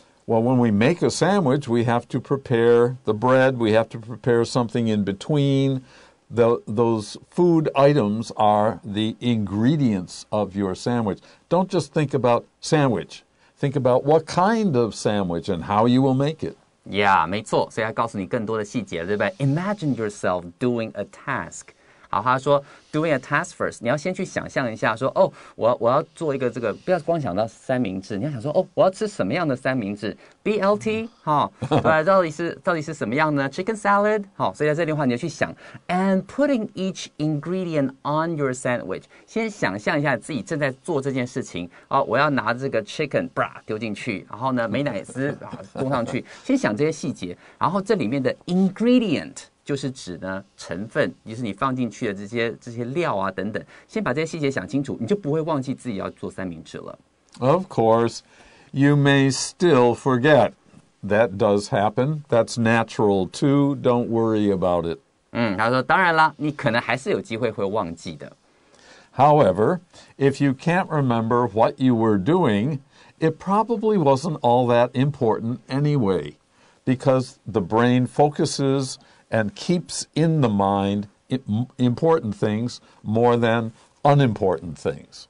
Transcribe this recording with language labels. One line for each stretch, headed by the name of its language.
English: Well, when we make a sandwich, we have to prepare the bread. We have to prepare something in between. Those food items are the ingredients of your sandwich. Don't just think about sandwich. Think about what kind of sandwich and how you will make it.
Chinese: Yeah, 没错。所以他告诉你更多的细节，对吧？
English: Imagine yourself doing a task.
Chinese: 好，他说 doing a task first，你要先去想象一下说，哦，我要做一个这个，不要光想到三明治，你要想说，哦，我要吃什么样的三明治 ？BLT 哈、哦，到底是什么样呢 ？Chicken salad 好、哦，所以在这里的话，你要去想 ， and putting each ingredient on your sandwich，先想象一下自己正在做这件事情，哦，我要拿这个 chicken bra 丢进去，然后呢，美乃滋啊弄上去，先想这些细节，然后这里面的 ingredient。就是指呢成分，就是你放进去的这些料啊等等，先把这些细节想清楚，你就不会忘记自己要做三明治了。
English: Of course, you may still forget. That does happen. That's natural too. Don't worry about it.
Chinese: 嗯，他说当然啦，你可能还是有机会会忘记的。
English: However, if you can't remember what you were doing, it probably wasn't all that important anyway, because the brain focuses. And keeps in the mind important things more than unimportant things.